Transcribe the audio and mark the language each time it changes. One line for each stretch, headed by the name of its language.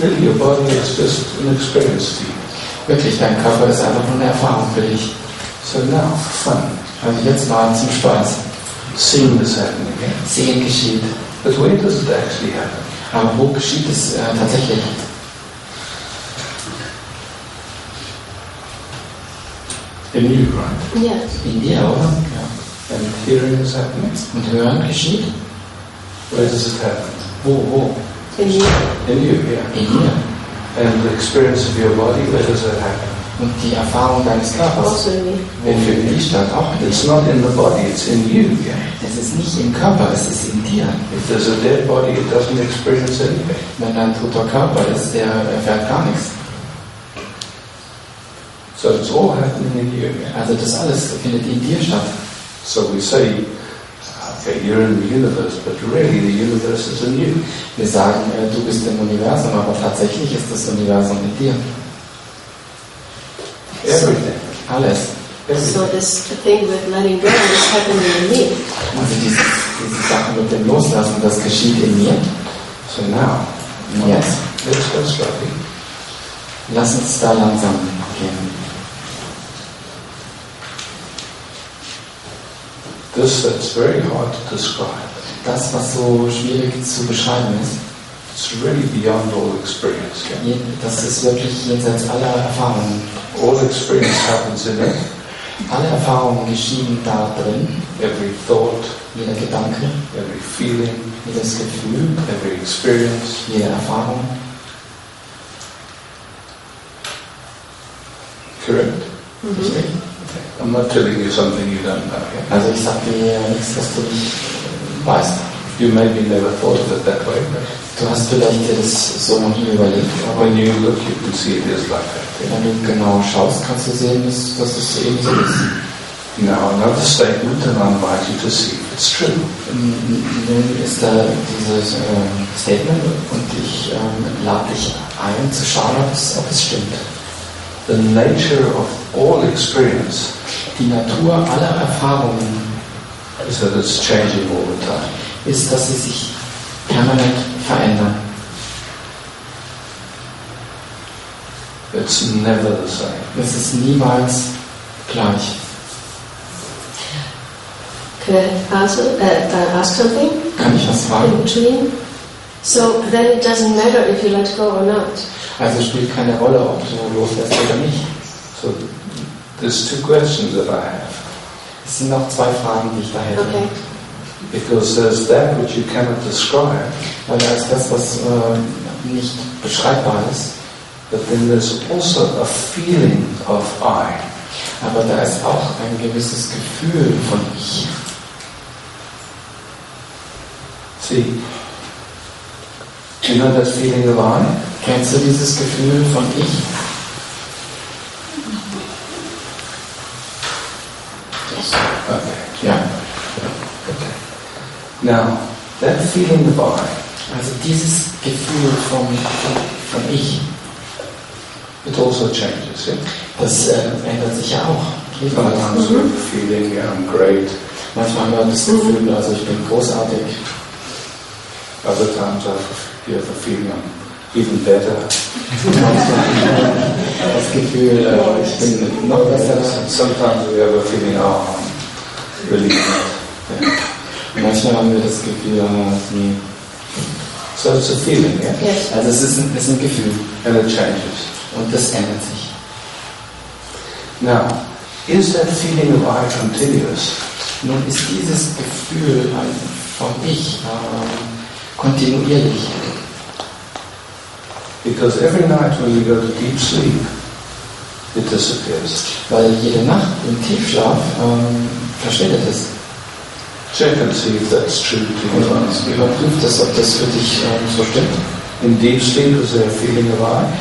English: Really, your body is just an experience to you.
German: Wirklich, dein Körper ist einfach nur eine Erfahrung für dich.
English: So now, fun.
German: Also jetzt mal zum Spaß.
English: Seeing this happening again.
German: Sehen geschieht.
English: But where does it actually happen?
German: Aber wo geschieht es tatsächlich?
English: In you, right? Yes.
German: In dir, oder?
English: Ja. And hearing is happening.
German: Und hören geschieht?
English: Where does it happen?
German: Wo?
English: In you, yeah.
German: In dir.
English: And the experience of your body, where does it happen?
German: Und die Erfahrung deines Körpers. Also in me. Wo findet die statt? Auch in dir.
English: It's not in the body, it's in you.
German: Es ist nicht im Körper, es ist in dir.
English: If there's a dead body, it doesn't experience anything.
German: Wenn ein toter Körper ist, der erfährt gar nichts.
English: So it's all happening in you.
German: Also das alles findet in dir statt.
English: So we say, okay, you're in the universe, but really the universe is in you.
German: Wir sagen, du bist im Universum, aber tatsächlich ist das Universum in dir.
English: Everything.
German: Alles.
English: So this thing with letting go is happening in me.
German: Also diese Sache mit dem Loslassen, das geschieht in mir.
English: So now. Yes. Let's go slowly.
German: Lass uns da langsam gehen.
English: This that's very hard to describe.
German: Das, was so schwierig zu beschreiben ist.
English: It's really beyond all experience. Yeah.
German: Das ist wirklich jenseits aller Erfahrungen.
English: All experience happens in it.
German: Alle Erfahrungen geschehen da drin.
English: Every thought.
German: Jeder Gedanke.
English: Every feeling.
German: Jedes Gefühl.
English: Every experience.
German: Jede Erfahrung.
English: Correct. Mm-hmm. I'm not telling you something you don't know. Yeah?
German: Also ich sage dir nichts, was du nicht weißt.
English: You maybe never thought of it that way, but.
German: Du hast vielleicht dir das so noch nie überlegt, aber
English: when you look, you can see it is like that.
German: Wenn du genau schaust, kannst du sehen, dass es eben so ist.
English: Now another statement and I invite you to see if it's true.
German: Nun ist da dieses Statement und ich lade dich ein, zu schauen, ob es stimmt.
English: The nature of all experience,
German: die Natur aller Erfahrungen,
English: is that it's changing all the time.
German: Ist, dass sie sich permanent verändern.
English: It's never the same.
German: Es ist niemals gleich.
English: Can I ask something?
German: Kann ich was fragen?
English: Between? So then it doesn't matter if you let go or not.
German: Also spielt keine Rolle, ob du loslässt oder nicht.
English: So there's two questions that I have.
German: Es sind noch zwei Fragen, die ich da hätte.
English: Okay. Because there's that which you cannot describe.
German: Weil da ist das, was nicht beschreibbar ist.
English: But then there's also a feeling of I.
German: Aber da ist auch ein gewisses Gefühl von ich.
English: See, do you know that feeling of I?
German: Kennst du dieses Gefühl von ich?
English: Yes. Okay. Yeah. Now, that feeling of I,
German: also dieses Gefühl von ich,
English: it also changes, yeah?
German: Das ändert sich ja auch.
English: Sometimes we have a feeling, yeah, I'm great.
German: Manchmal haben wir das Gefühl, also ich bin großartig.
English: Other times we have a feeling, I'm even better.
German: Das Gefühl, ich bin noch besser.
English: Sometimes we have a feeling, oh, I'm really not. Yeah.
German: Manchmal haben wir das Gefühl, nee.
English: So it's a feeling, yeah? Yes.
German: Also es ist ein Gefühl.
English: And it changes.
German: Und das ändert sich.
English: Now, is that feeling of I continuous?
German: Nun ist dieses Gefühl von ich kontinuierlich.
English: Because every night when you go to deep sleep, it disappears.
German: Weil jede Nacht im Tiefschlaf verschwindet es.
English: Check and see if that's true to you.
German: Überprüf das, ob das für dich so stimmt.
English: In deep sleep is there a feeling of I?